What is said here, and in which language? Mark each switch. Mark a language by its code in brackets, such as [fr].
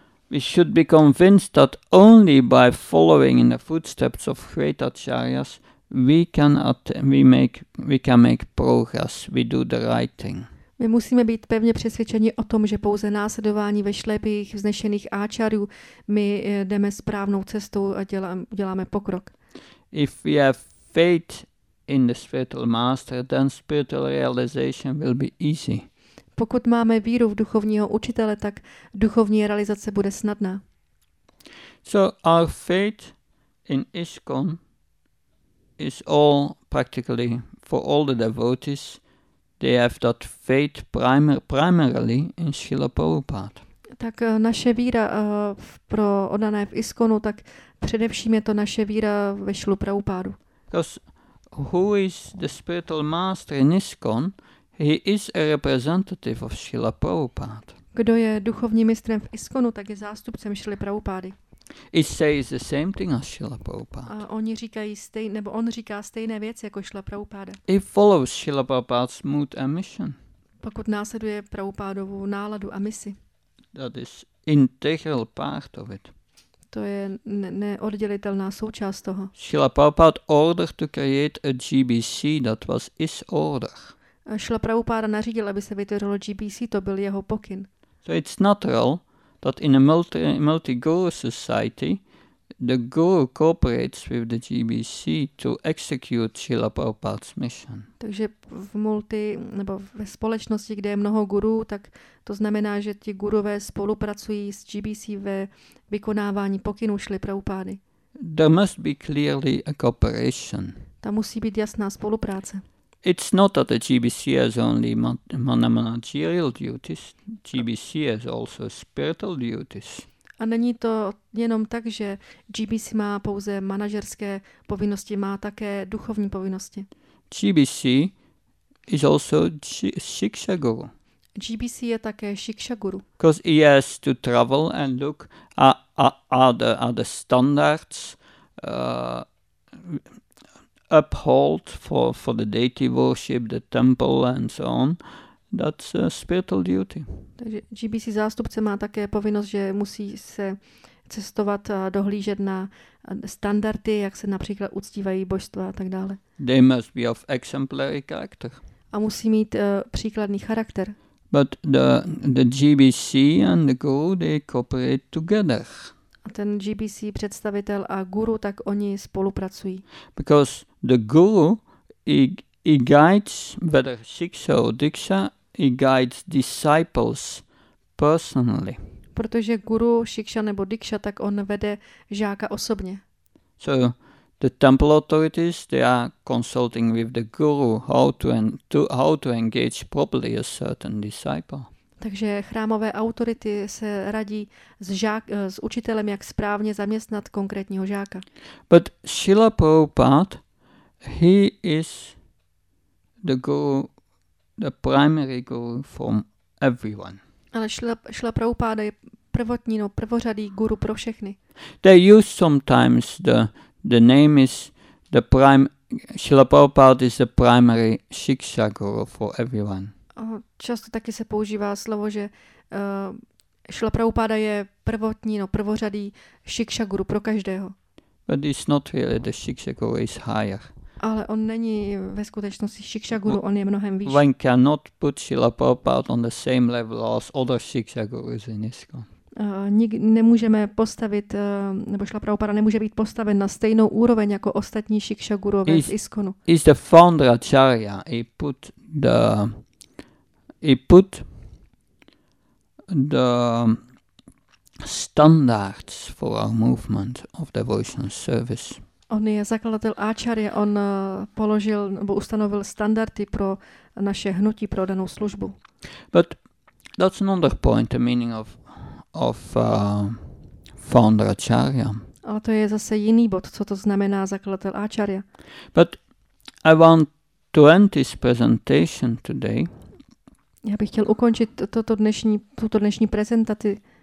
[en] We should be convinced that only by following in the footsteps of great acharyas we can make progress. We do the right thing. [cs] My musíme být pevně přesvědčeni o tom, že pouze následování ve šlépích vznešených áčarů my jdeme správnou cestou a děláme pokrok. [en] If we have faith in the spiritual master, then spiritual realization will be easy. [cs] Pokud máme víru v duchovního učitele, tak duchovní realizace bude snadná. [en] So our faith in ISKCON is all practically for all the devotees. They have that faith primarily in Srila Prabhupada. [cs] Tak naše víra pro oddané v ISKCONu, tak především je to naše víra ve Srilu Prabhupádu. [en] Because who is the spiritual master in ISKCON? He is a representative of Srila Prabhupada. [cs] Kdo je duchovním mistrem v ISKCONu, tak je zástupcem Srily Prabhupády. [en] He says the same thing as Srila Prabhupada. [cs] On říká stejné věci jako Srila Prabhupada. [en] He follows Srila Prabhupada's mood and mission. [cs] Pokud následuje Prabhupádovu náladu a misi. [en] That is integral part of it. [cs] To je neoddělitelná součást toho. [en] Srila Prabhupada ordered to create a GBC, that was his order. [cs] Srila Prabhupada nařídil, aby se vytvořilo GBC, to byl jeho pokyn. [en] So it's natural that in a multi-guru society, the guru cooperates with the GBC to execute Srila Prabhupada's mission. [cs] Takže v multi nebo ve společnosti, kde je mnoho gurů, tak to znamená, že ti gurové spolupracují s GBC ve vykonávání pokynů Šrily Prabhupády. [en] There must be clearly a cooperation. [cs] Tam musí být jasná spolupráce. [en] It's not that the GBC has only managerial duties. GBC has also spiritual duties. [cs] A není to jenom tak, že GBC má pouze manažerské povinnosti, má také duchovní povinnosti. [en] GBC is also Shiksha Guru. [cs] GBC je také Shiksha Guru. [en] Because he has to travel and look are the standards uphold for the deity worship, the temple and so on. That's a spiritual duty. [cs] Takže GBC zástupce má také povinnost, že musí se cestovat a dohlížet na standardy, jak se například uctívají božstva a tak dále. [en] They must be of exemplary character. [cs] A musí mít příkladný charakter. [en] But the GBC and the guru, they cooperate together. [cs] A ten GBC představitel a guru, tak oni spolupracují. [en] Because the guru, he guides, whether shiksha or diksha, he guides disciples personally. [cs] Protože guru, shiksha nebo diksha, tak on vede žáka osobně. [en] So the temple authorities, they are consulting with the guru how to engage properly a certain disciple. [cs] Takže chrámové autority se radí s učitelem, jak správně zaměstnat konkrétního žáka. [en] But Srila Prabhupada, he is the guru, the primary guru from everyone. [cs] Ale Srila Prabhupada je prvotní, no prvořadý guru pro všechny. [en] They use sometimes the name is the prime. Srila Prabhupada is the primary shiksha guru for everyone. [cs] A často taky se používá slovo, že Srila Prabhupada je prvotní, no prvořadý shiksha guru pro každého. [en] But it's not really the shiksha guru is higher. [cs] Ale on není ve skutečnosti shiksha guru, on je mnohem výš. [en] One cannot put Srila Prabhupada on the same level as other shiksha gurus in ISKCON. [cs] Nemůžeme postavit, nebo Srila Prabhupada nemůže být postaven na stejnou úroveň jako ostatní shiksha gurové v ISKCONu. [en] He's the founder Acharya. He put the standards for our movement of devotional service. [cs] On je zakladatel Acharya, on položil nebo ustanovil standardy pro naše hnutí, pro danou službu. [en] But that's another point, the meaning of founder Acharya. [cs] Ale to je zase jiný bod, co to znamená zakladatel Acharya. [en] But I want to end this presentation today. [cs] Já bych chtěl ukončit tuto dnešní prezentaci.